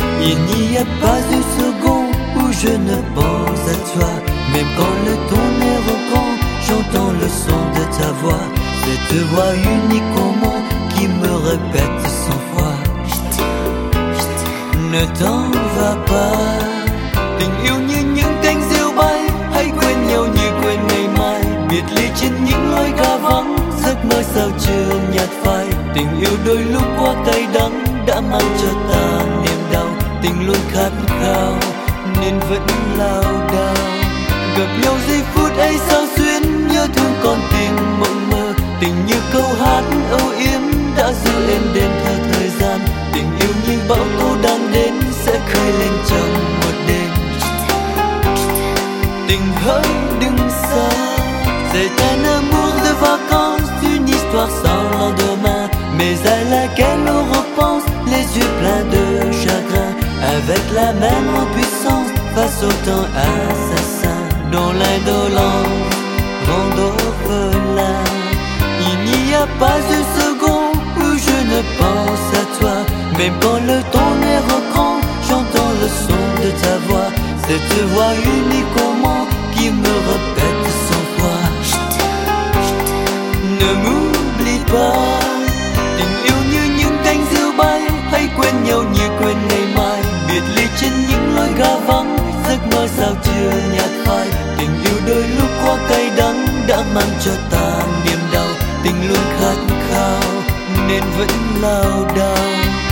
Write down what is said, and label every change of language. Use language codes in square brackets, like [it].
[fr] Il n'y a pas une seconde où je ne pense à toi, même quand le ton est reprend, j'entends le son de ta voix. Cette voix unique au monde qui me répète cent fois, ne t'en va pas. [vi] Tình yêu như những cánh diều bay, hãy quên nhau như quên ngày mai. Biệt ly trên những lối ga vắng, giấc mơ sao chưa nhạt phai. Tình yêu đôi lúc quá cay đắng đã mang cho ta niềm đau. Tình luôn khát khao nên vẫn lao đao. Gặp nhau giây phút ấy sao xuyến, nhớ thương con tim mộng mơ. Tình như câu hát âu yếm đã ru em đêm theo thời gian. Tình yêu như bão tố đang đến sẽ khơi lên trong một đêm. Tình hỡi đừng xa. [fr] C'est un amour de vacances, une histoire sans lendemain, mais à laquelle on repense les yeux pleins de chagrin, avec la même impuissance face au temps assassin dont l'indolence rend orphelin. Il n'y a pas une seconde où je ne pense à toi, même quand le ton est reprend, j'entends le son de ta voix. Cette voix unique au monde qui me répète cent fois, ne m'oublie pas. [vi] Tình yêu như những cánh diều bay, hãy quên nhau như quên ngày mai. Biệt ly trên những lối ga vắng, giấc mơ sao chưa nhạt phai. Tình yêu đôi lúc quá cay đắng đã mang cho ta niềm đau. Tình luôn khát khao nên vẫn lao đao.